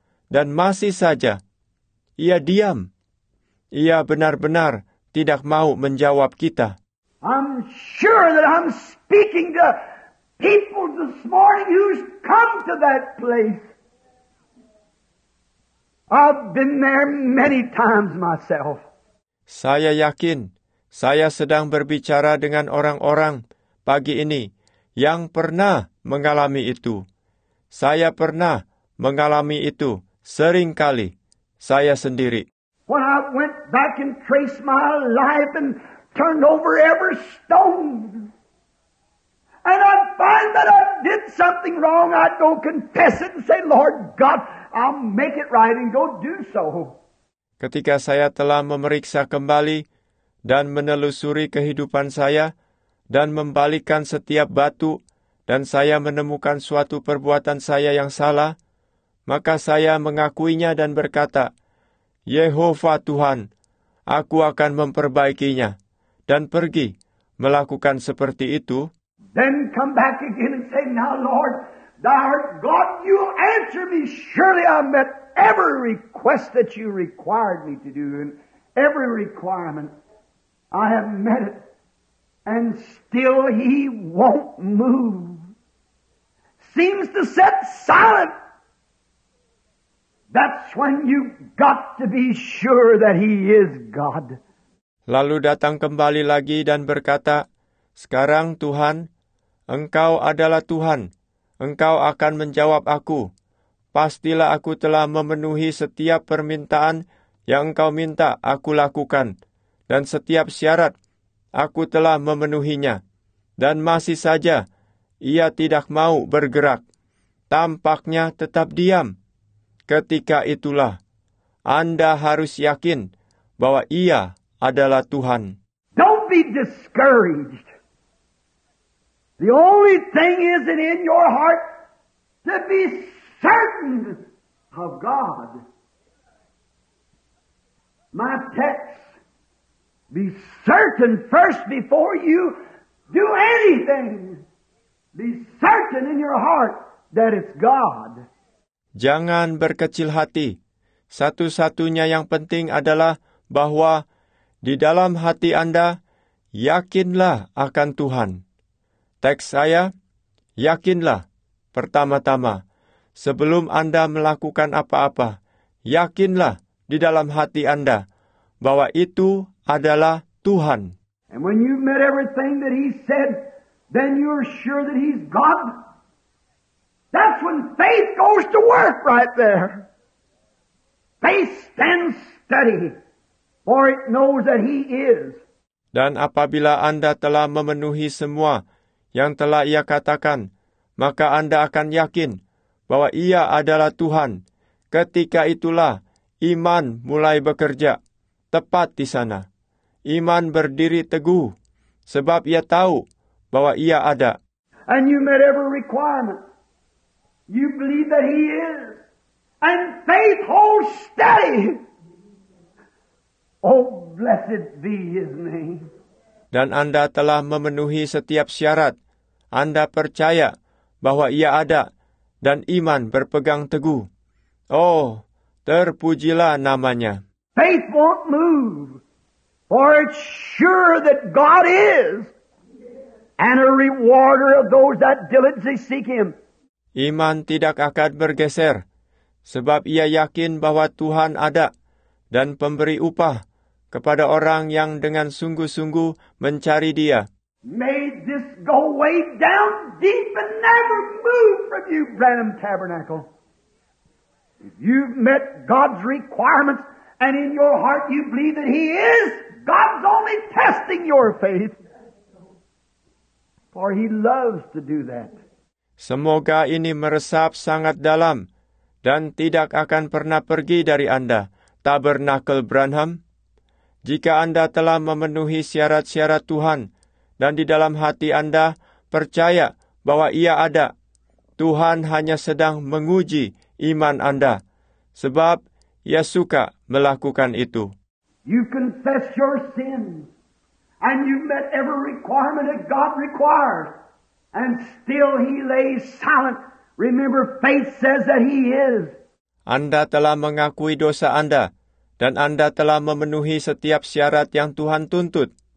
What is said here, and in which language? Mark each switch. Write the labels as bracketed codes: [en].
[id] Dan masih saja, Ia diam. Ia benar-benar tidak mau menjawab kita. [en] I'm sure that I'm speaking to people this morning who's come to that place. I've been there many times myself. [id] Saya yakin saya sedang berbicara dengan orang-orang pagi ini yang pernah mengalami itu. Saya pernah mengalami itu seringkali saya sendiri. [en] When I went back and traced my life and turned over every stone, and I find that I did something wrong, I go confess it and say, Lord God, I'll make it right and go do so. [id] Ketika saya telah memeriksa kembali dan menelusuri kehidupan saya dan membalikkan setiap batu dan saya menemukan suatu perbuatan saya yang salah, maka saya mengakuinya dan berkata, Yehova Tuhan, aku akan memperbaikinya dan pergi melakukan seperti itu. [en] Then come back again and say, Now Lord, Thou art God, you answer me. Surely I met every request that you required me to do, and every requirement I have met it. And still he won't move. Seems to sit silent. That's when you've got to be sure that he is God. [id] Lalu datang kembali lagi dan berkata, "Sekarang Tuhan, Engkau adalah Tuhan. Engkau akan menjawab aku. Pastilah aku telah memenuhi setiap permintaan yang Engkau minta aku lakukan. Dan setiap syarat, aku telah memenuhinya. Dan masih saja, ia tidak mau bergerak. Tampaknya tetap diam. Ketika itulah, Anda harus yakin bahwa ia adalah Tuhan." [en] Don't be discouraged. The only thing is that in your heart to be certain of God. My text, be certain first before you do anything. Be certain in your heart that it's God. [id] Jangan berkecil hati. Satu-satunya yang penting adalah bahwa di dalam hati Anda, yakinlah akan Tuhan. Teks saya, yakinlah pertama-tama, sebelum Anda melakukan apa-apa, yakinlah di dalam hati Anda bahwa itu adalah Tuhan. [en] And when you've met everything that he said, then you're sure that he's God. That's when faith goes to work right there. Faith stands steady, for it knows that he is. [id] Dan apabila Anda telah memenuhi semua yang telah ia katakan, maka Anda akan yakin bahwa ia adalah Tuhan. Ketika itulah, iman mulai bekerja tepat di sana. Iman berdiri teguh, sebab ia tahu bahwa ia ada. [en] And you met every requirement. You believe that he is. And faith holds steady. Oh, blessed be his name. [id] Dan Anda telah memenuhi setiap syarat. Anda percaya bahwa ia ada dan iman berpegang teguh. Oh, terpujilah namanya. [en] Faith won't move, for it's sure that God is, and a rewarder of those that diligently seek him. [id] Iman tidak akan bergeser, sebab ia yakin bahwa Tuhan ada dan pemberi upah kepada orang yang dengan sungguh-sungguh mencari dia. [en] May this go way down deep and never move from you, Branham Tabernacle. If you've met God's requirements and in your heart you believe that he is, God's only testing your faith. For he loves to do that. [id] Semoga ini meresap sangat dalam dan tidak akan pernah pergi dari Anda, Tabernacle Branham. Jika Anda telah memenuhi syarat-syarat Tuhan, dan di dalam hati Anda percaya bahwa ia ada, Tuhan hanya sedang menguji iman Anda, sebab ia suka melakukan itu. [en] You confess your sins, and you met every requirement that God requires, and still he lays silent. Remember, faith says that he is. [id] Anda telah mengakui dosa Anda, dan Anda telah memenuhi setiap syarat yang Tuhan tuntut.